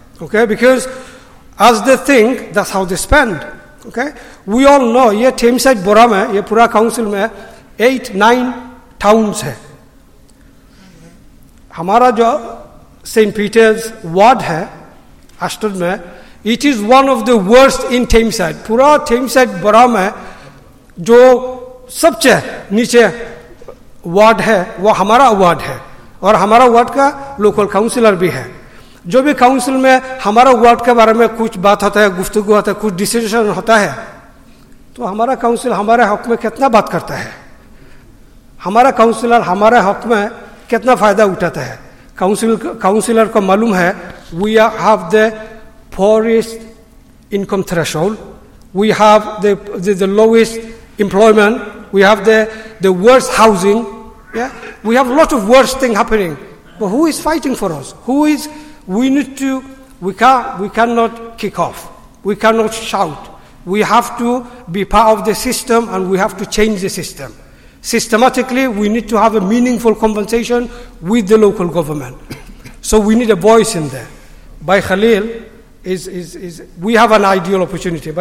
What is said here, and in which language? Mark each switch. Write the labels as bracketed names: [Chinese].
[English] Okay, because as they think this how they spend. [Urdu] Okay, [English] we all know [Urdu] یہ تھیمسائڈ بورا میں, یہ پورا کاؤنسل میں 8-9 ٹاؤنس ہے. ہمارا جو سینٹ پیٹرز وارڈ ہے آسٹر میں, [English] It is one of the worst in Tameside. [Urdu] پورا تھیمسائڈ بورا میں جو سب سے نیچے وارڈ ہے وہ ہمارا وارڈ ہے, اور ہمارا وارڈ کا لوکل کاؤنسلر بھی ہے. جو بھی کاؤنسل میں ہمارا وارڈ کے بارے میں کچھ بات ہوتا ہے, گفتگو ہوتا ہے, کچھ ڈیسیشن ہوتا ہے, تو ہمارا کاؤنسل ہمارے حق میں کتنا بات کرتا ہے؟ ہمارا کاؤنسلر ہمارے حق میں کتنا فائدہ اٹھاتا ہے؟ کاؤنسلر کو معلوم ہے [English] We have the poorest income threshold, we have the lowest employment, we have the worst housing, we have lot of worst thing happening. But who is fighting for us? Who is We cannot kick off. We cannot shout. We have to be part of the system and we have to change the system. Systematically, we need to have a meaningful conversation with the local government. So we need a voice in there. Bhai Khalil, is we have an ideal opportunity.